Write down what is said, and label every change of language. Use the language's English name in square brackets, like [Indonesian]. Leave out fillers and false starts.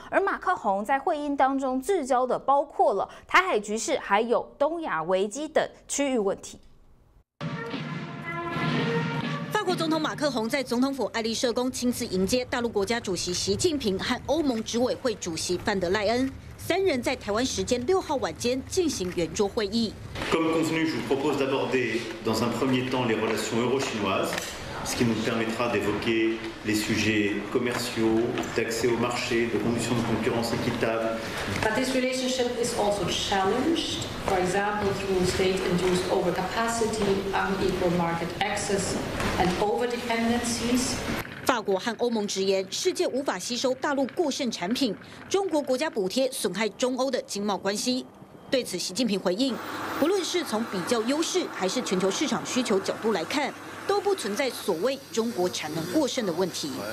[Chinese] 而马克宏在会音当中聚焦的包括了台海局势，还有东亚危机等区域问题。法国总统马克宏在总统府爱丽舍宫亲自迎接大陆国家主席习近平和欧盟执委会主席范德赖恩。三人在台湾时间6号晚间进行圆桌会议。 [French] Comme convenu, je vous propose d'aborder dans un premier temps les relations euro-chinoises, ce qui nous permettra d'évoquer les sujets commerciaux, d'accès au marché, de conditions de concurrence équitable. [English] But this relationship is also challenged, for example, through state-induced overcapacity, unequal market access, and overdependencies. [Chinese] 法国和欧盟直言，世界无法吸收大陆过剩产品，中国国家补贴损害中欧的经贸关系。对此，习近平回应，不论是从比较优势还是全球市场需求角度来看，都不存在所谓中国产能过剩的问题。